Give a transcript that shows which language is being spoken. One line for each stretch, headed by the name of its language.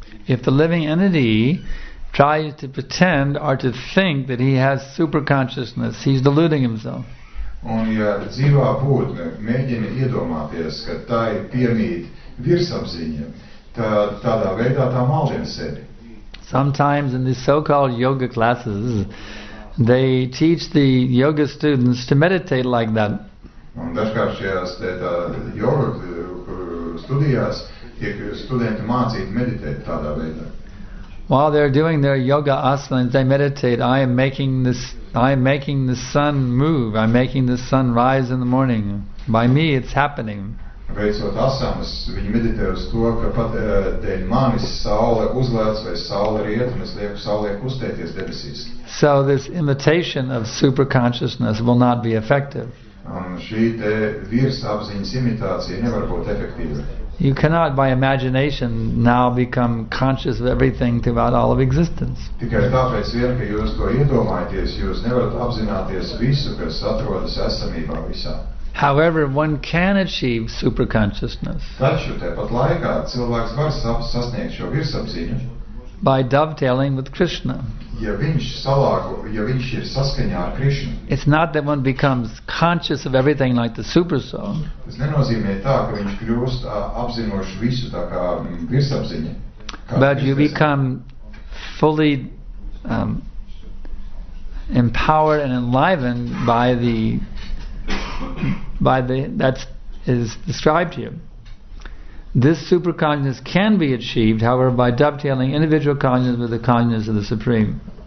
English: If the living entity tries to pretend or to think that he has super consciousness, he's deluding himself.
Latvian: Un ja dzīvā būtne mēģina iedomāties, ka tai piemīt virsapziņa, tad tādā veidā tā maldien sevi.
English: Sometimes in these so-called yoga classes, they teach the yoga students to meditate like that.
Latvian: Un dažkārt šajās tā yoga studijās, studenti mācīt meditēt tādā veidā.
English: While they're doing their yoga asanas, they meditate, I am making the sun move, I'm making the sun rise in the morning. By me it's happening.
Latvian: Veicot asanas, viņi meditē uz to, ka pat dēļ manis saule uzlēc vai saule riet, un es lieku saulē kustēties debesīs.
English: So this imitation of super consciousness will not be effective.
Latvian: Un šī te virsapziņas imitācija nevar būt efektīva.
English: You cannot, by imagination, now become conscious of everything throughout all of existence.
Latvian: Tikai tāpēc vien, ka jūs to iedomājaties, jūs nevarat apzināties visu, kas atrodas esamībā visā.
English: However, one can achieve superconsciousness.
Latvian: Taču, tepat laikā, cilvēks var sasniegt šo virsapziņu.
English: By dovetailing with Krishna.
Latvian: Ja viņš ir saskaņā ar Krishna.
English: It's not that one becomes conscious of everything like the super soul.
Latvian: Tas nenozīmē tā, ka viņš kļūst apzinošs visu tā kā virsapziņa.
English: But you become fully empowered and enlivened by that is described here. This super consciousness can be achieved, however, by dovetailing individual consciousness with the consciousness of the Supreme.